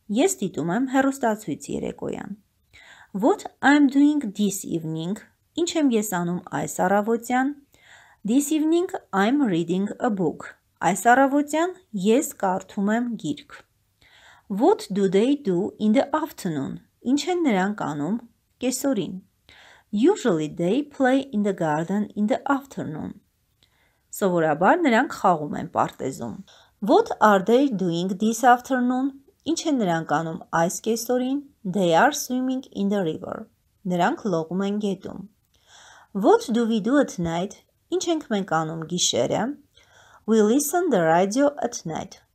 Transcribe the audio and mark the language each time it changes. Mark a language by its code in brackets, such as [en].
[hy] Ես դիտում եմ հեռուստացույց երեկոյան։ [en] What I'm doing this evening? [hy] Ինչ եմ ես անում այս առավոտյան? [en] This evening I'm reading a book. [hy] Այս առավոտյան ես կարդում եմ գիրք։ [en] What do they do in the afternoon? [hy] Ինչ են նրանք անում կեսօրին? [en] Usually they play in the garden in the afternoon. [hy] Սովորաբար նրանք խաղում են պարտեզում։ [en] What are they doing this afternoon? [hy] Ինչ են նրանք անում այս կեսօրին? [en] They are swimming in the river. [hy] Նրանք լողում են գետում։ [en] What do we do at night? [hy] Ինչ ենք մենք անում գիշերը? [en] We listen the radio at night.